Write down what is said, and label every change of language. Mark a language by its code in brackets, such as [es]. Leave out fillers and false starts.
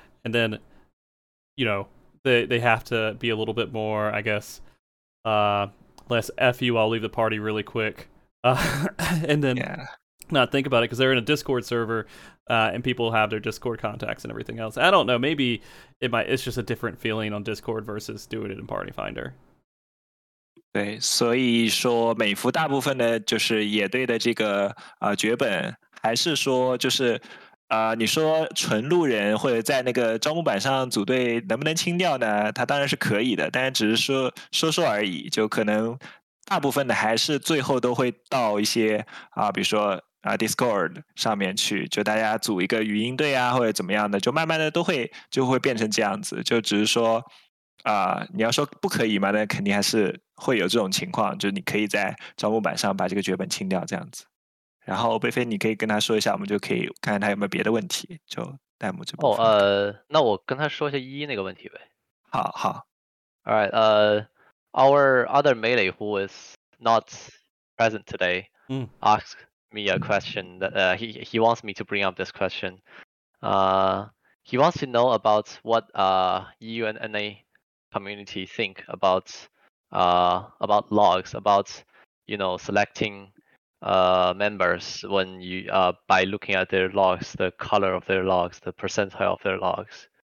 [en] And then, you know, they have to be a little bit more, I guess, less F you, I'll leave the party really quick. And then not think about it, because they're in a Discord server and people have their Discord contacts and everything else. I don't know, maybe it's just a different feeling on Discord versus doing it in Party Finder. [zh] 对，所以说美服大部分的就是野队的这个绝本，还是说就是你说纯路人或者在那个招募板上组队能不能清掉呢？他当然是可以的，但只是说说而已，就可能大部分的还是最后都会到一些比如说Discord 上面去，就大家组一个语音队啊或者怎么样的，就慢慢的都会变成这样子。就只是说你要说不可以嘛，那肯定还是会有这种情况，就你可以在招募板上把这个绝本清掉这样子。然后贝菲你可以跟他说一下，我们就可以看看他有没有别的问题，就弹幕这部分。那我跟他说一下一那个问题呗。好。 [en] Alright, our other melee who is not present today asked me a question that he wants me to bring up this question. He wants to know about what EU and NA community think about logs, about, you know, selectingmembers when you by looking at their logs, the color of their logs, the percentile of their logs.